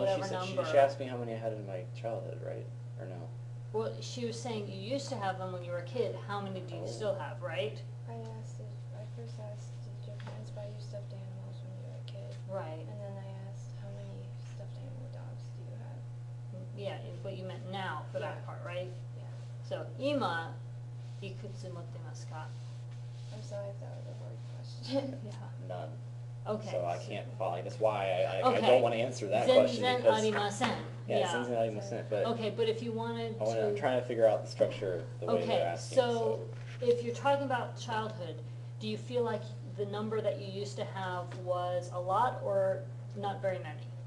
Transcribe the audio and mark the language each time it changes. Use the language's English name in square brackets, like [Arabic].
[English] number... She asked me how many I had in my childhood, right? Or no? Well, she was saying you used to have them when you were a kid. How many do you still have, right? I first asked, did your parents buy you stuffed animals when you were a kid? Right. And then I asked, how many stuffed animal dogs do you have? Yeah, is what you meant now for yeah. that part, right? Yeah. So, [Japanese] 今, いくつ持ってますか? [English] I'm sorry if that was a hard question. yeah. None. Okay. So I can't follow. That's why okay. I don't want to answer that question. Because, [Japanese] ありません. [English] Yeah, yeah. [Japanese] 全然ありません, [English] but okay, but if you wanted I want to... I'm trying to figure out the structure the okay. way you're asking. So if you're talking about childhood, do you feel like the number that you used to have was a lot or not very many?